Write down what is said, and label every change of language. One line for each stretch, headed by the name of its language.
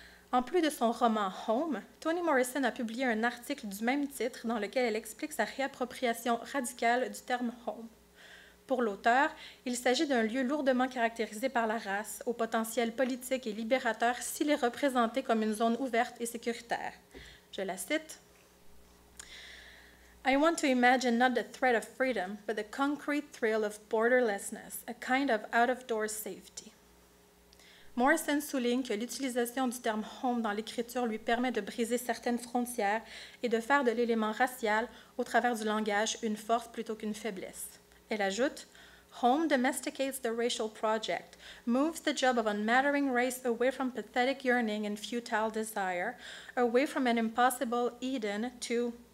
French: En plus de son roman Home, Toni Morrison a publié un article du même titre dans lequel elle explique sa réappropriation radicale du terme Home. Pour l'auteur, il s'agit d'un lieu lourdement caractérisé par la race, au potentiel politique et libérateur s'il est représenté comme une zone ouverte et sécuritaire. Je la cite.
English: I want to imagine not the threat of freedom, but the concrete thrill of borderlessness, a kind of out-of-door safety.
French: Morrison souligne que l'utilisation du terme « home » dans l'écriture lui permet de briser certaines frontières et de faire de l'élément racial, au travers du langage, une force plutôt qu'une faiblesse. Elle ajoute,
English: « Home domesticates the racial project, moves the job of unmattering race away from pathetic yearning and futile desire, away from an impossible Eden to...